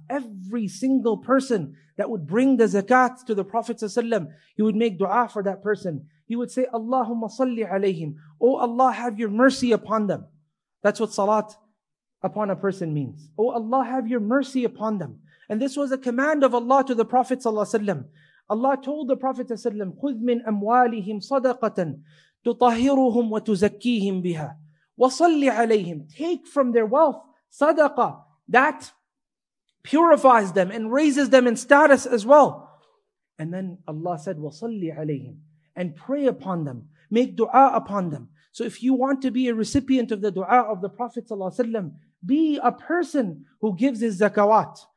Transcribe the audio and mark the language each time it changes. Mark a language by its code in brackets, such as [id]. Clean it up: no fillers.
[en] Every single person that would bring the zakat to the Prophet sallallahu alaihi wasallam, he would make dua for that person. He would say, [ar] Allahumma salli alayhim. [en] Oh Allah, have your mercy upon them. That's what salat upon a person means. Oh Allah, have your mercy upon them. And this was a command of Allah to the Prophet sallallahu alaihi wasallam. Allah told the Prophet sallallahu alaihi wasallam, [ar] خُذْ مِنْ أَمْوَالِهِمْ صَدَقَةً تُطَهِّرُهُمْ وَتُزَكِّيهِمْ بِهَا وَصَلِّ عَلَيْهِمْ. [en] Take from their wealth sadaqah that purifies them and raises them in status as well. And then Allah said, [ar] وَصَلِّ عَلَيْهِمْ, [en] and pray upon them, make dua upon them. So if you want to be a recipient of the dua of the Prophet ﷺ, be a person who gives his zakawat.